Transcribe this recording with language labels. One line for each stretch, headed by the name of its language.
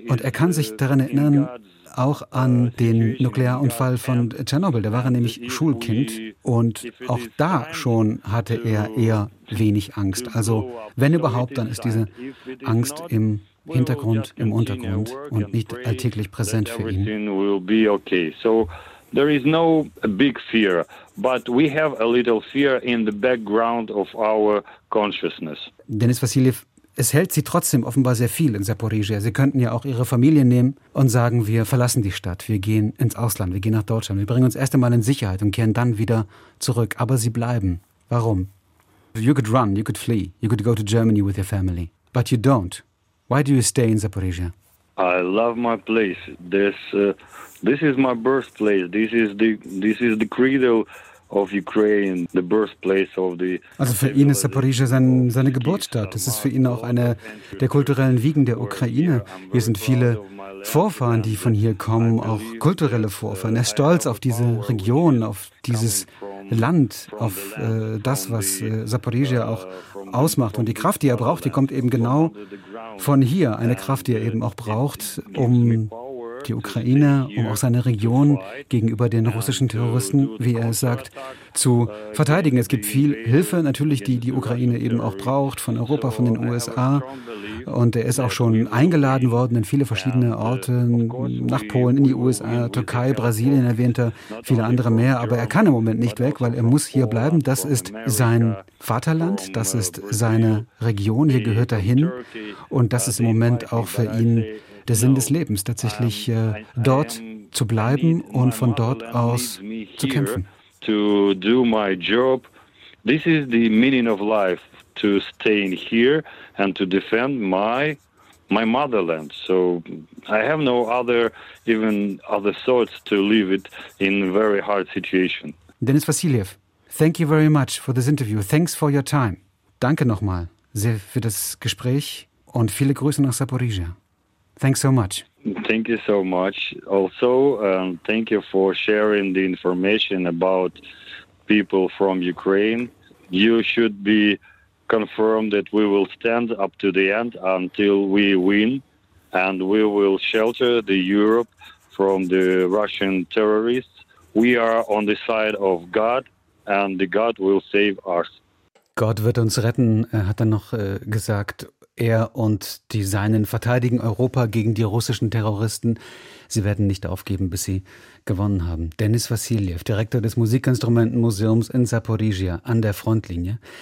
German: Und er kann sich daran erinnern, auch an den Nuklearunfall von Tschernobyl. Da war er nämlich Schulkind und auch da schon hatte er eher wenig Angst. Also wenn überhaupt, dann ist diese Angst im Hintergrund, im Untergrund und nicht alltäglich präsent für ihn.
English: So there is no big fear, but we have a little fear in the background of our consciousness.
German: Denis Vassiljev, es hält Sie trotzdem offenbar sehr viel in Saporizhia. Sie könnten ja auch Ihre Familie nehmen und sagen, wir verlassen die Stadt, wir gehen ins Ausland, wir gehen nach Deutschland, wir bringen uns erst einmal in Sicherheit und kehren dann wieder zurück. Aber Sie bleiben. Warum?
English: You could run, you could flee, you could go to Germany with your family, but you don't. Why do you stay in Saporizhia? I love my place. This is my birthplace. This is the cradle of Ukraine, the birthplace of the.
German: Also für ihn ist Saporizhia seine Geburtsstadt. Es ist für ihn auch eine der kulturellen Wiegen der Ukraine. Hier sind viele Vorfahren, die von hier kommen, auch kulturelle Vorfahren. Er ist stolz auf diese Region, auf dieses Land, auf das, was Saporizhia auch ausmacht. Und die Kraft, die er braucht, die kommt eben genau von hier. Eine Kraft, die er eben auch braucht, um die Ukraine, um auch seine Region gegenüber den russischen Terroristen, wie er es sagt, zu verteidigen. Es gibt viel Hilfe natürlich, die die Ukraine eben auch braucht, von Europa, von den USA. Und er ist auch schon eingeladen worden in viele verschiedene Orte, nach Polen, in die USA, Türkei, Brasilien, erwähnt er, viele andere mehr. Aber er kann im Moment nicht weg, weil er muss hier bleiben. Das ist sein Vaterland, das ist seine Region, hier gehört er hin. Und das ist im Moment auch für ihn der Sinn des Lebens, tatsächlich dort zu bleiben und von dort aus zu kämpfen.
English: To do my job. This is the meaning of life, to stay in here and to defend my motherland. So I have no other, even other thoughts to leave it in a very hard situation. Denis Vasiliev, thank you very much for this interview. Thanks for your time.
German: Danke nochmal sehr für das Gespräch und viele Grüße nach Saporizhia.
English: Thanks so much. Thank you so much. Also, thank you for sharing the information about people from Ukraine. You should be confirmed that we will stand up to the end until we win, and we will shelter the Europe from the Russian terrorists. We are on the side of God, and the God will save us.
German: Gott wird uns retten, hat er noch gesagt. Er und die Seinen verteidigen Europa gegen die russischen Terroristen. Sie werden nicht aufgeben, bis sie gewonnen haben. Denis Vasiliev, Direktor des Musikinstrumentenmuseums in Saporizhia an der Frontlinie.